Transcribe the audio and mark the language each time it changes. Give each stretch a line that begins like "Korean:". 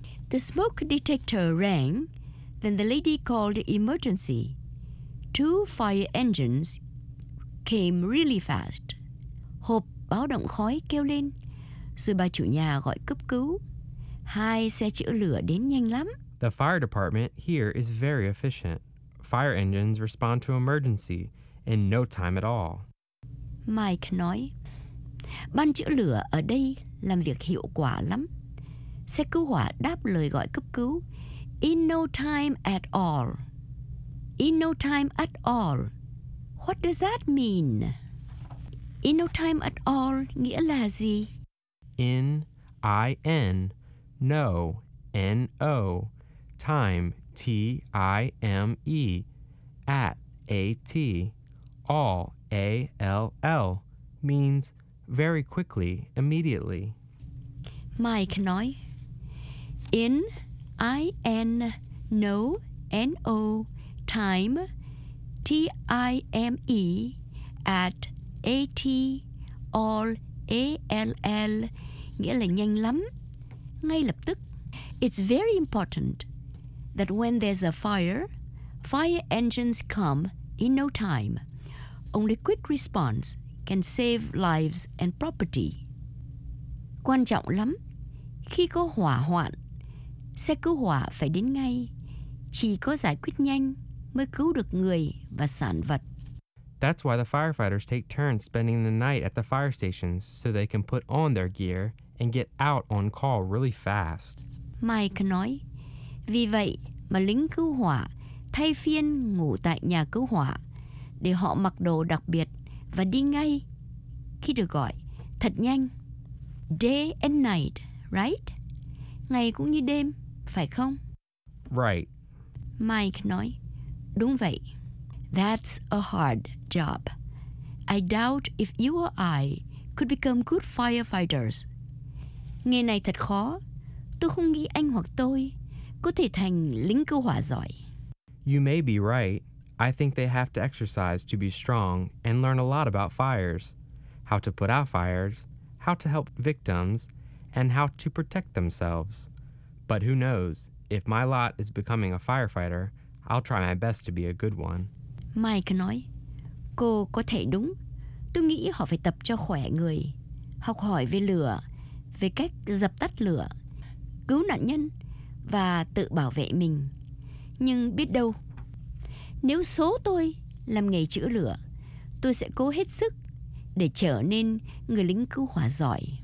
English: The smoke detector rang, then the lady called emergency. Two fire engines came really fast.
Vietnamese: Hộp báo động khói kêu lên, rồi bà chủ nhà gọi cấp cứu. Hai xe chữa lửa đến nhanh lắm.
English: The fire department here is very efficient. Fire engines respond to emergency in no time at all.
Vietnamese: Mike nói, ban chữa lửa ở đây làm việc hiệu quả lắm. Xe cứu hỏa đáp lời gọi cấp cứu
English: in no time at all. In no time at all. What does that mean?
Vietnamese: In no time at all nghĩa là gì?
English: In, I-N, no, N-O, time, T-I-M-E, at, A-T, all, A-L-L, means very quickly, immediately.
Vietnamese: Mike nói, in, I-N, no, N-O, time, T-I-M-E, at, A-T, all, A-L-L, nghĩa là nhanh lắm, ngay lập tức.
English: It's very important that when there's a fire, fire engines come in no time. Only quick response can save lives and property.
Vietnamese: Quan trọng lắm. Khi có hỏa hoạn, xe cứu hỏa phải đến ngay. Chỉ có giải quyết nhanh mới cứu được người và sản vật.
English: That's why the firefighters take turns spending the night at the fire stations so they can put on their gear and get out on call really fast.
Vietnamese: Mike nói, vì vậy mà lính cứu hỏa thay phiên ngủ tại nhà cứu hỏa để họ mặc đồ đặc biệt và đi ngay khi được gọi, thật nhanh.
English: Day and night, right?
Vietnamese: Ngày cũng như đêm, phải không?
English: Right.
Vietnamese: Mike nói, đúng vậy.
English: That's a hard job. I doubt if you or I could become good firefighters.
Vietnamese: Nghề này thật khó. Tôi không nghĩ anh hoặc tôi có thể thành lính cứu hỏa giỏi.
English: You may be right. I think they have to exercise to be strong and learn a lot about fires. How to put out fires, how to help victims, and how to protect themselves. But who knows, if my lot is becoming a firefighter, I'll try my best to be a good one.
Vietnamese: Mike nói, cô có thể đúng. Tôi nghĩ họ phải tập cho khỏe người, học hỏi về lửa, về cách dập tắt lửa, cứu nạn nhân và tự bảo vệ mình. Nhưng biết đâu, nếu số tôi làm nghề chữa lửa, tôi sẽ cố hết sức để trở nên người lính cứu hỏa giỏi.